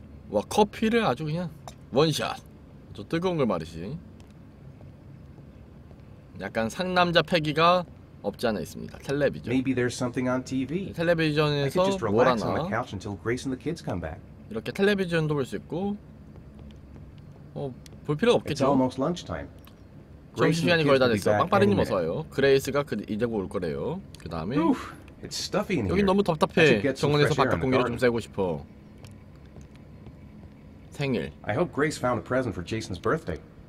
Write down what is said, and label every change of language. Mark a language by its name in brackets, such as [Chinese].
[Korean] 와, 커피를 아주 그냥 원샷. 저 뜨거운 걸 말이지. 약간 상남자 패기가 없지 않아 있습니다. 텔레비전. [English] Maybe there's something on TV. [Korean] 텔레비전에서 뭘 하나. [English] On the couch until Grace and the kids come back. [Korean] 이렇게 텔레비전도 볼 수 있고. 볼 필요 없겠죠. [English] It's almost lunchtime. [Korean] 점심시간이 거의 다 됐어. 빵빠레님 어서 와요. 그레이스가 이제고 올 거래요. 그 다음에 여기 너무 답답해. 정원에서 바깥 공기를 좀 쐬고 싶어. 생일. [English] I hope Grace found a present for Jason's birthday.